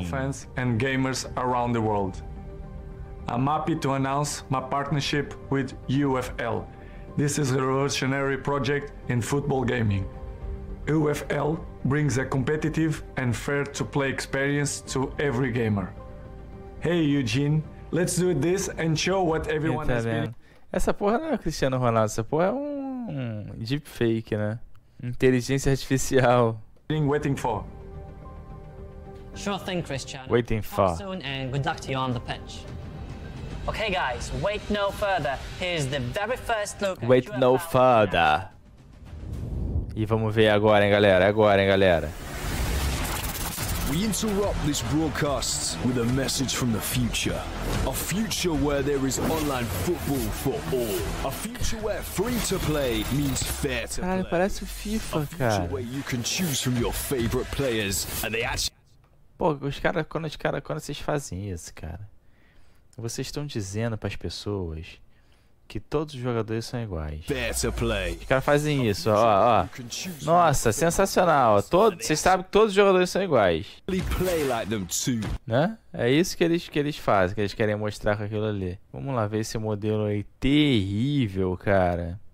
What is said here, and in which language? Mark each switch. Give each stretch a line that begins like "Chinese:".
English: The football fans and gamers around the world. I'm happy to announce my partnership with UFL. This is a revolutionary project in football gaming. UFL brings a competitive and fair-to-play experience to every gamer. Hey, Eugene, let's do this and show what everyone has been...
Portuguese: Essa porra não é Cristiano Ronaldo, essa porra é um deepfake, né? Inteligência artificial.
English: Waiting for. Sure thing, Cristiano. Waiting for. Talk soon and good luck to you on the pitch. Okay, guys, wait no further. Here's the very first look. Wait no further.
Portuguese: E vamos ver agora, hein, galera? Agora, hein, galera?
English: We interrupt this broadcast with a message from the future. A future where there is online football for all. A future where free to play means fair to play.
Portuguese: Caralho, parece o FIFA, cara.
English: A future where you can choose from your favorite players and they actually...
Portuguese: Pô, quando vocês fazem isso, cara? Vocês estão dizendo para as pessoas que todos os jogadores são iguais.
English: Better play.
Portuguese: Os caras fazem isso, ó, ó. Nossa, sensacional. Vocês sabem que todos os jogadores são iguais.
English: Play like them too.
Portuguese: Né? É isso que eles fazem, que eles querem mostrar com aquilo ali. Vamos lá ver esse modelo aí terrível, cara.